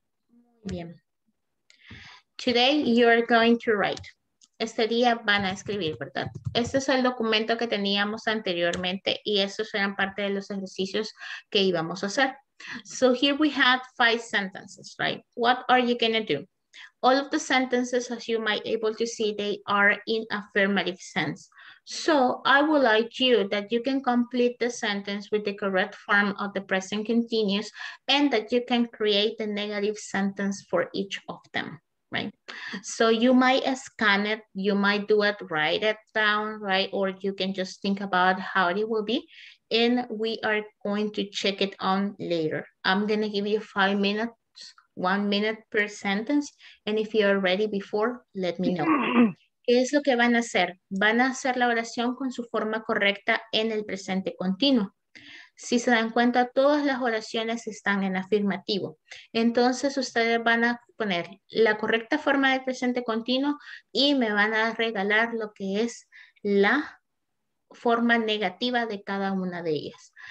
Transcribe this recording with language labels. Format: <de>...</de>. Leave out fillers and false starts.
<es>Muy bien.</es> <en>Today you are going to write.</en> <es>Este día van a escribir, ¿verdad? Este es el documento que teníamos anteriormente y esos eran parte de los ejercicios que íbamos a hacer.</es> <en>So here we had 5 sentences, right? What are you going to do? All of the sentences, as you might able to see, they are in affirmative sense. So I would like you that you can complete the sentence with the correct form of the present continuous and that you can create a negative sentence for each of them, right? So you might scan it, you might do it, write it down, right? Or you can just think about how it will be. And we are going to check it on later. I'm going to give you 5 minutes, 1 minute per sentence. And if you are ready before, let me know.</en> <es>¿Qué es lo que van a hacer? Van a hacer la oración con su forma correcta en el presente continuo. Si se dan cuenta, todas las oraciones están en afirmativo. Entonces ustedes van a poner la correcta forma del presente continuo y me van a regalar lo que es la forma negativa de cada una de ellas.</es>